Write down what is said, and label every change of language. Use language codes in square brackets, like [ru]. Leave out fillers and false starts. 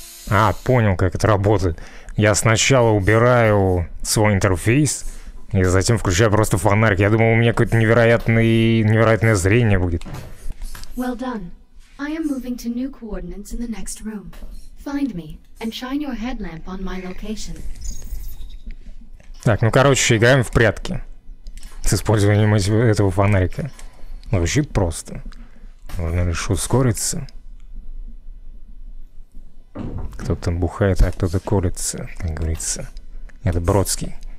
[ru] А, понял, как это работает. Я сначала убираю свой интерфейс, и затем включаю просто фонарик. Я думал, у меня какое-то невероятное зрение будет. [en] Well done. I am moving to new coordinates in the next room. Find me and shine your headlamp on my location. [ru] Так, ну короче, играем в прятки с использованием этого фонарика. Вообще просто. Нужно лишь ускориться. Кто-то бухает, а кто-то курится, как говорится. Это Бродский.